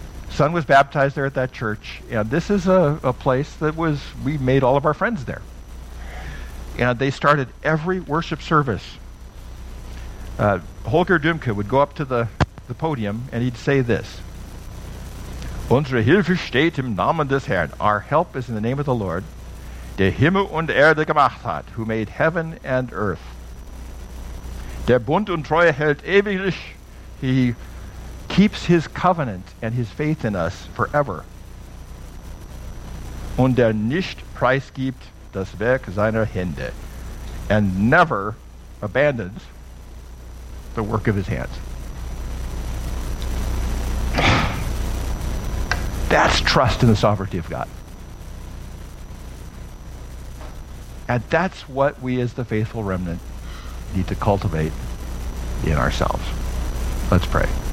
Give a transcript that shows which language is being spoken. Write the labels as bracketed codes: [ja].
[en] Son was baptized there at that church. And this is a place that was, we made all of our friends there. And they started every worship service. Holger Dümke would go up to the podium and he'd say this. [de] Unsere Hilfe steht im Namen des Herrn. [en] Our help is in the name of the Lord, [de] der Himmel und Erde gemacht hat, [en] who made heaven and earth. [de] Der Bund und Treue hält ewiglich. [en] He keeps his covenant and his faith in us forever. [de] Und der nicht preisgibt das Werk seiner Hände. [en] And never abandons the work of his hands. That's trust in the sovereignty of God. And that's what we as the faithful remnant need to cultivate in ourselves. Let's pray.